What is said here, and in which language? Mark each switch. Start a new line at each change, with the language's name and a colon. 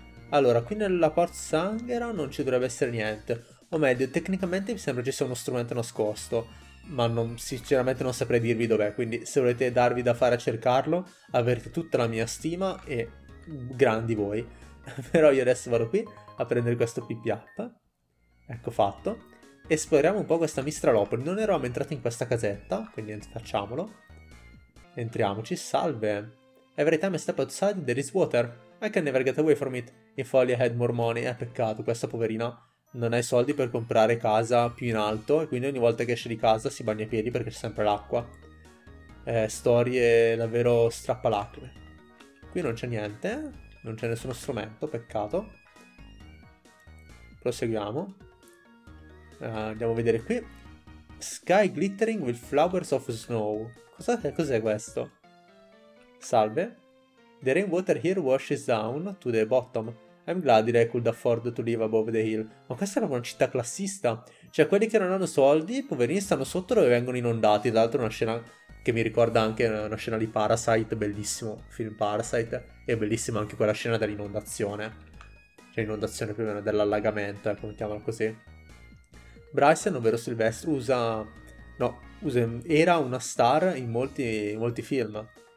Italian: Allora, qui nella Port Sanghera non ci dovrebbe essere niente, o meglio, tecnicamente mi sembra ci sia uno strumento nascosto, ma non, sinceramente non saprei dirvi dov'è, quindi se volete darvi da fare a cercarlo, avrete tutta la mia stima e grandi voi. Però io adesso vado qui a prendere questo PP Up, ecco fatto. Esploriamo un po' questa Mistralopoli. Non eravamo entrati in questa casetta, quindi facciamolo. Entriamoci. Salve.
English: Every time I step outside, there is water. I can never get away from it. If only I had more money.
Italian: Peccato, questa poverina non ha i soldi per comprare casa più in alto. E quindi ogni volta che esce di casa si bagna i piedi perché c'è sempre l'acqua. Storie davvero strappalacrime. Qui non c'è niente. Non c'è nessuno strumento. Peccato. Proseguiamo. Andiamo a vedere qui.
English: Sky glittering with flowers of snow.
Italian: Cos'è questo? Salve.
English: The rainwater here washes down to the bottom. I'm glad that I could afford to live above the hill.
Italian: Ma questa è una città classista. Cioè, quelli che non hanno soldi, poverini, stanno sotto dove vengono inondati. Tra l'altro, una scena che mi ricorda anche una scena di Parasite. Bellissimo film Parasite. E bellissima anche quella scena dell'inondazione. Cioè, inondazione più o meno dell'allagamento, ecco, mettiamola così. Bryson, ovvero Silvestro, era una star in molti film.